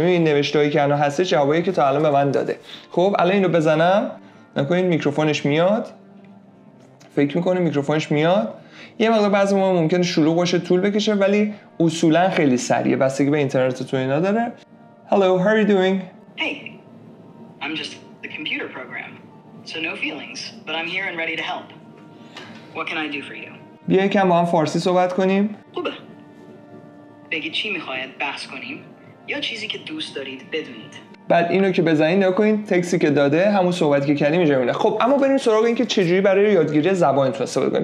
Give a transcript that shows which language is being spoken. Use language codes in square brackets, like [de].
[fa] ببینید نوشتهایی که الان هستش جوابی که تا الان به من داده. خب الان اینو بزنم، نکنید میکروفونش میاد، فکر میکنه میکروفونش میاد. یه مقدار بعضی موقع ممکنه شلوغ باشه، طول بکشه، ولی اصولا خیلی سریه، بستگی به اینترنت تو اینا داره. [en] Hello, how are you doing? Hey, I'm just the computer program, so no feelings, but I'm here and ready to help. What can I do for you? [fa] بیا یکم با هم فارسی صحبت کنیم. خوبه. بگی چی میخواید بحث کنیم یا چیزی که دوست دارید بدونید. بعد اینو که بزنید نکنید، تکسی که داده همون صحبتی که کردیم اینجا میونه. خب اما بریم سراغ این که چجوری برای یادگیری زبانتون استفاده کنید.